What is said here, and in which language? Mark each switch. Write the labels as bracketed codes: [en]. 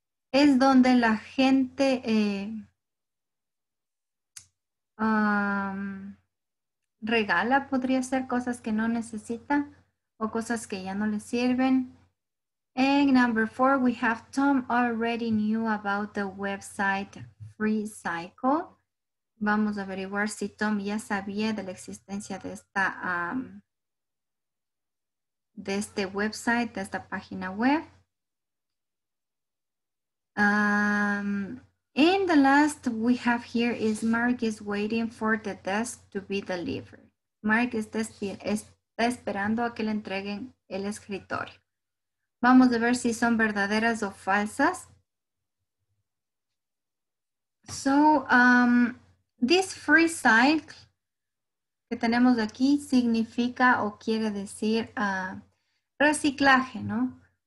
[es] Es donde la gente regala, podría ser, cosas que no necesita o cosas que ya no le sirven. [en] And number four, we have Tom already knew about the website FreeCycle. [es] Vamos a averiguar si Tom ya sabía de la existencia de esta de este website, de esta página web. [en] And the last we have here is Mark is waiting for the desk to be delivered. [es] Mark está esperando a que le entreguen el escritorio. Vamos a ver si son verdaderas o falsas. So, this free cycle que tenemos aquí significa o quiere decir reciclaje, ¿no?